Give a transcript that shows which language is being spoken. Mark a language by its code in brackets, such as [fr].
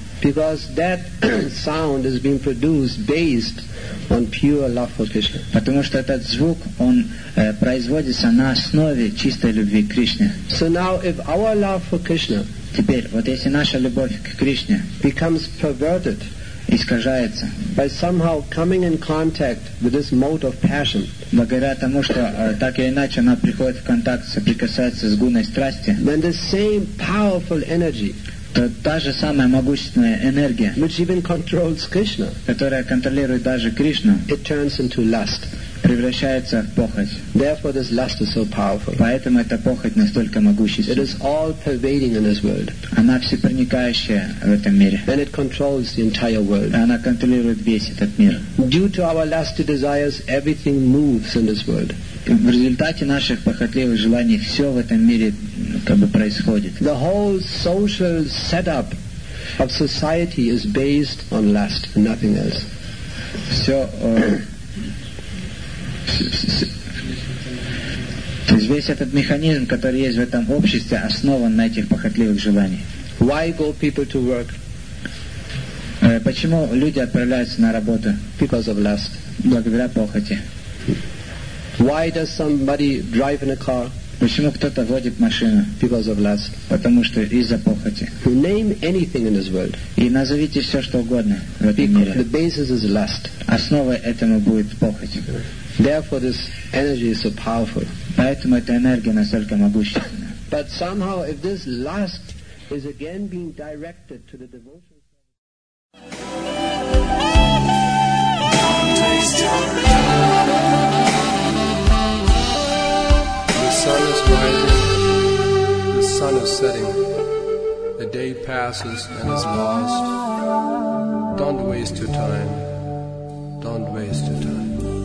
[en] Because that sound is being produced based on pure love for Krishna. [ru] Потому что этот звук он производится на основе чистой любви к Кришне. [en] So now, if our love for Krishna, [ru] теперь вот если наша любовь к Кришне [en] becomes perverted, [ru] искажается [en] by somehow coming in contact with this mode of passion, [ru] благодаря тому, что так или иначе она приходит в контакт, соприкасается с гуной страсти, [en] then the same powerful energy. [ru] Та же самая могущественная энергия, [en] which even controls Krishna, [ru] которая контролирует даже Кришну, [en] it turns into lust. [ru] превращается в похоть. [en] Therefore, this lust is so powerful. [ru] Поэтому эта похоть настолько могущественна. [en] It is all pervading in this world. [ru] Она всепроникающая в этом мире. [en] And it controls the entire world. [ru] Она контролирует весь этот мир. [en] Due to our lusty desires, everything moves in this world. [ru] В результате наших похотливых желаний все в этом мире как бы происходит. [en] The whole social setup of society is based on lust, nothing else. [ru] Все, то есть весь этот механизм, который есть в этом обществе, основан на этих похотливых желаниях. [en] Why go people to work? [ru] Почему люди отправляются на работу? [en] Because of lust. [ru] Благодаря похоти. [en] Why does somebody drive in a car? [ru] Почему кто-то водит машину? [en] Because of lust. [ru] Потому что из-за похоти. [en] Name anything in this world. [ru] И назовите все, что угодно в этом мире. [en] The basis is lust. [ru] Основой этому будет похоть. [en] Therefore, this energy is so powerful. [ru] Поэтому эта энергия настолько могущественна. [en] But somehow, if this lust is again being directed to the devotion... The sun is rising, the sun is setting, the day passes and is lost. Don't waste your time, don't waste your time.